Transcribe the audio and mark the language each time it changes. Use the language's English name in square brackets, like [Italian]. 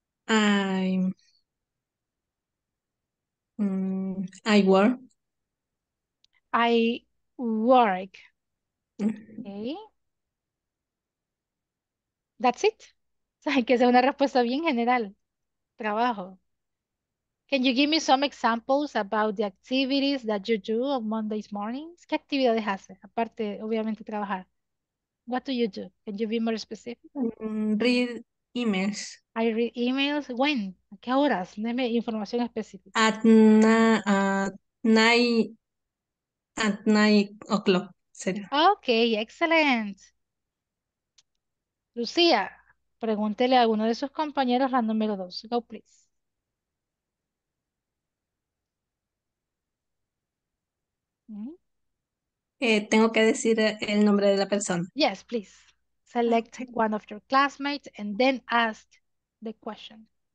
[English] I work. Okay. That's it. [Spanish] O sea, hay que hacer una respuesta bien general. Trabajo. [English] Can you give me some examples about the activities that you do on Monday mornings? [Spanish] ¿Qué actividades hace? Aparte, obviamente, trabajar. [English] What do you do? Can you be more specific? Read emails. I read emails. When? [Spanish] ¿A qué horas? Deme información específica. [English] At 9 o'clock. [Spanish] Sería. [English] Okay, excellent. [Spanish] Lucía, pregúntele a alguno de sus compañeros la número 2. [English] Go, please. [Spanish] Tengo que decir el nombre de la persona. [English] Yes, please. Select one of your classmates and then ask the question.